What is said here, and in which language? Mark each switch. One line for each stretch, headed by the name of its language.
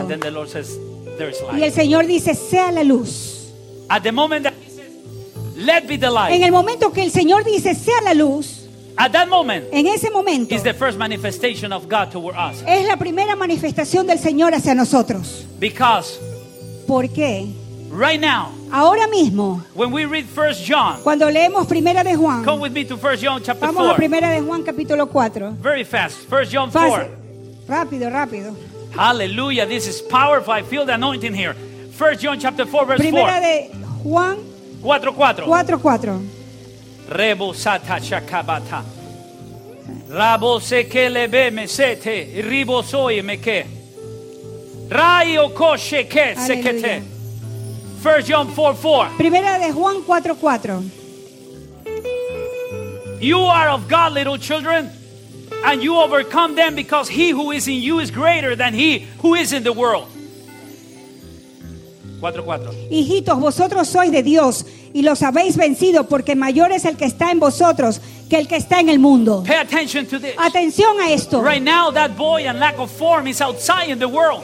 English: And then the Lord says, there is light.
Spanish: Y el Señor dice, sea la luz.
English: At the moment that he says, let be the light.
Spanish: En el momento que el Señor dice, sea la luz.
English: At that moment.
Spanish: En ese momento.
English: Is the first manifestation of God toward us.
Spanish: Es la primera manifestación del Señor hacia nosotros.
English: Because.
Spanish: ¿Por qué?
English: Right now.
Spanish: Ahora mismo.
English: When we read 1 John.
Spanish: Cuando leemos Primera de Juan.
English: Come with me to 1 John chapter 4.
Spanish: Vamos a Primera de Juan capítulo 4.
English: Very fast. 1 John 4. Fácil.
Spanish: Rápido, rápido.
English: Hallelujah, this is powerful. I feel the anointing here. 1 John chapter 4 verse 4.
Spanish: Primera de Juan 4:4. Rebo sata chakabata. Rabo sekele be mesete, ribo soy meke. Raio koshe ke sekete. 1 John 4:4. Primera de Juan 4:4.
English: You are of God, little children, and you overcome them because he who is in you is greater than he who is in the world. 4:4.
Spanish: Hijitos, vosotros sois de Dios y los habéis vencido porque mayor es el que está en vosotros que el que está en el mundo.
English: Pay attention to this.
Spanish: Atención a esto.
English: Right now that void and lack of form is outside in the world.